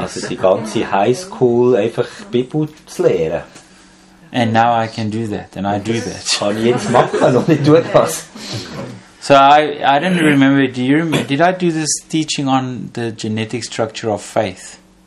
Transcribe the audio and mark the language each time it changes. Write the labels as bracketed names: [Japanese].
[German] Also die ganze High School einfach Bibel zu lehren. [English] And now I can do that, and I do that. [German] Kann ich jetzt machen und ich tue das. [English] So I don't remember. Do you remember? Did I do this teaching on the genetic structure of faith?